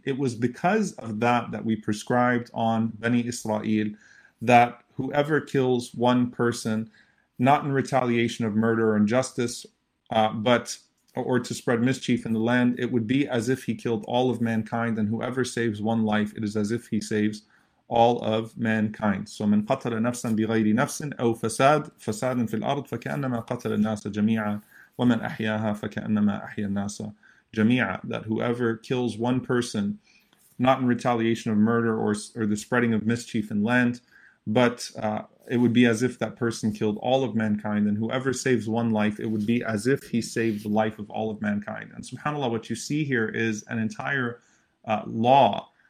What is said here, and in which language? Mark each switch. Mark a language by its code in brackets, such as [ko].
[en] It was because of that we prescribed on Bani Israel that whoever kills one person, not in retaliation of murder or injustice, but or to spread mischief in the land, it would be as if he killed all of mankind, and whoever saves one life, it is as if he saves all of mankind. So [ar] من قتل نفسا بغير نفس أو فساد فساد في الأرض فكأنما قتل الناس جميعا ومن أحياها فكأنما أحيا الناس جميعا. [en] That whoever kills one person, not in retaliation of murder or the spreading of mischief in land, but it would be as if that person killed all of mankind, and whoever saves one life, it would be as if he saved the life of all of mankind. And subhanAllah, what you see here is an entire law.